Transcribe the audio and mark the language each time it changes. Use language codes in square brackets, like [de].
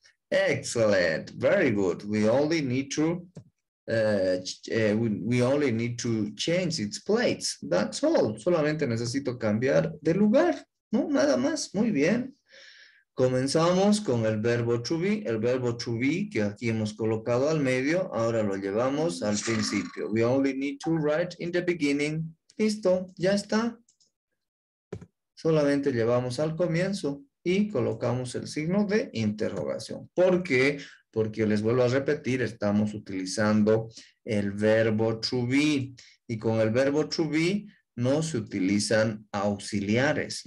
[en] Excellent. Very good. We only need to change its plates. That's all. [es] Solamente necesito cambiar de lugar. No, nada más. Muy bien. Comenzamos con el verbo to be. El verbo to be que aquí hemos colocado al medio, ahora lo llevamos al principio. [en] We only need to write in the beginning. [es] Listo, ya está. Solamente llevamos al comienzo y colocamos el signo de interrogación. ¿Por qué? Porque les vuelvo a repetir, estamos utilizando el verbo to be. Y con el verbo to be no se utilizan auxiliares.